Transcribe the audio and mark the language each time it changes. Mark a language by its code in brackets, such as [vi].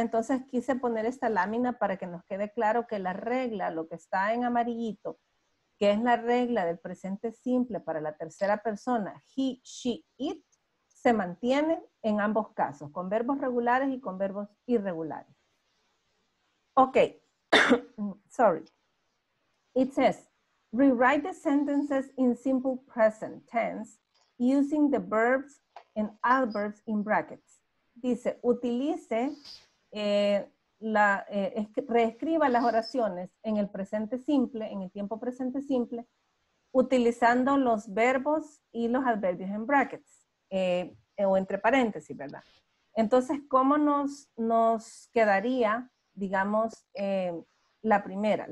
[es] Entonces quise poner esta lámina para que nos quede claro que la regla, lo que está en amarillito, que es la regla del presente simple para la tercera persona, he, she, it, se mantiene en ambos casos, con verbos regulares y con verbos irregulares. [en] Ok, sorry. It says, rewrite the sentences in simple present tense using the verbs and adverbs in brackets. [es] Dice, utilice, reescriba las oraciones en el presente simple, en el tiempo presente simple, utilizando los verbos y los adverbios en brackets, o entre paréntesis, ¿verdad? Entonces, ¿cómo nos quedaría, digamos, la primera?